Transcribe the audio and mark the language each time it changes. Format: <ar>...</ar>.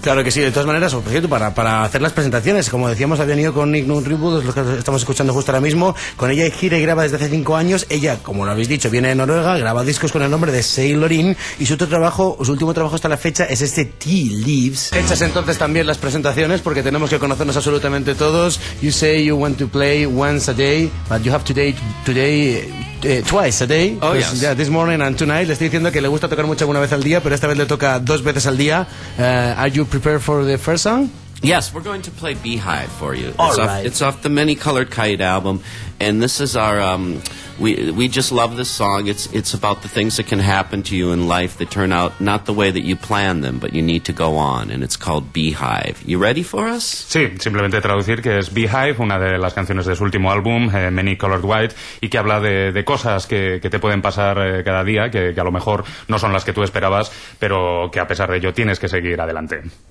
<es>Claro que sí, de todas maneras, por cierto, para hacer las presentaciones, como decíamos, había venido con Ingun Ringvold, los que estamos escuchando justo ahora mismo, con ella y Gire graba desde hace 5 años, ella, como lo habéis dicho, viene de Noruega, graba discos con el nombre de Sailor In, y su último trabajo hasta la fecha es este Tea Leaves. Hechas entonces también las presentaciones, porque tenemos que conocernos absolutamente todos.</es> <en>You say you want to play once a day, but you have today twice a day. Oh, yes. Yeah, this morning and tonight.</en> <es>Le estoy diciendo que le gusta tocar mucho una vez al día, pero esta vez le toca 2 veces al día.</es> <en>Are you prepared for the first song? Yes, we're going to play Beehive for you. All it's right. It's off the Many Colored Kite album, and this is our we just love this song. It's about the things that can happen to you in life that turn out not the way that you plan them, but you need to go on, and it's called Beehive. You ready for us?</en> <es>Sí, simplemente traducir que es Beehive, una de las canciones de su último álbum, Many Colored White, y que habla de cosas que te pueden pasar cada día, que a lo mejor no son las que tú esperabas, pero que a pesar de ello tienes que seguir adelante.</es>